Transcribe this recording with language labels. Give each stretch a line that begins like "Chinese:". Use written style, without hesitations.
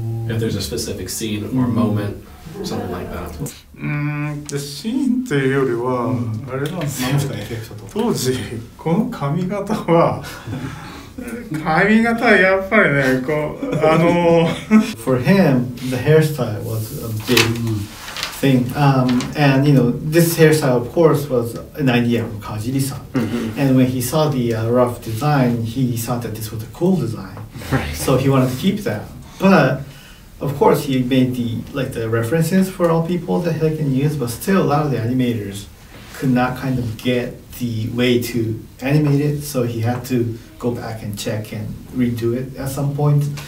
English: If there's a specific scene or moment, something like that.
Japanese: でシーンというよりはあれなんですよ、当時この髪型は髪型はやっぱりね、こう
English: For him, the hairstyle was a big thing. And you know, this hairstyle of course was an idea of Kajiri-san. Mm-hmm. And when he saw the rough design, he thought that this was a cool design. Right. So he wanted to keep that. But of course, he made the like the references for all people that he can use, but still a lot of the animators could not kind of get the way to animate it, so he had to go back and check and redo it at some point.